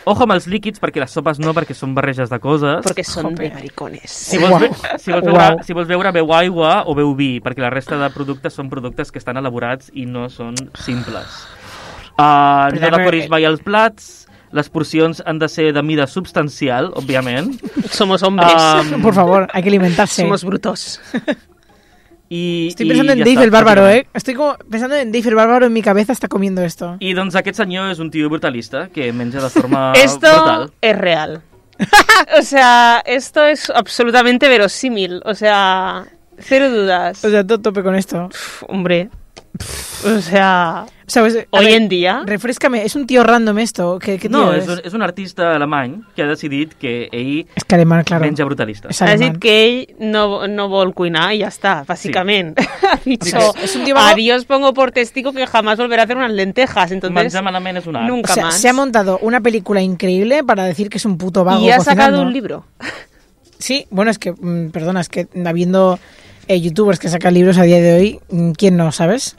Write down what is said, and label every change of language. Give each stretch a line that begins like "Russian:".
Catalan: Ojo amb els líquids, perquè les sopes no, perquè són barreges de coses. Perquè són de maricones. Si vols veure, beu aigua o beu vi, perquè la resta de productes són productes que estan elaborats i no són simples. No decoris mai els plats... Les porcions han de ser de mida substancial, òbviament.
Spanish: Somos hombres. Por favor, hay que alimentarse. Somos brutos. Estoy pensando en Dave el Bárbaro, Estoy como pensando en Dave el Bárbaro en mi cabeza está comiendo esto.
Catalan: I doncs aquest senyor és un tio brutalista que menja de forma
Spanish: esto
Catalan: brutal.
Spanish: Esto es real. O sea, esto es absolutamente verosímil. O sea, cero dudas. O sea, todo tope con esto. Uf, hombre, O sea, hoy en día... Refréscame, es un tío random esto. ¿Qué tío es? Es un artista alemán que
Catalan: ha decidit que ell... És que
Spanish: alemán, claro.
Catalan: Menja brutalista. Ha decidit que ell no vol cuinar i ja està, bàsicament. Sí. Ha dit això. És un tío...
Spanish: Adiós pongo por testigo que jamás volverá a hacer unas lentejas. Entonces,
Catalan: menjar malament és un art.
Spanish: Nunca o sea, más. Se ha montado una película increíble para decir que es un puto vago cocinando. Y ha sacado un libro. Sí, bueno, es que... Perdona, es que habiendo... youtubers que sacan libros a día de hoy, ¿quién no, sabes?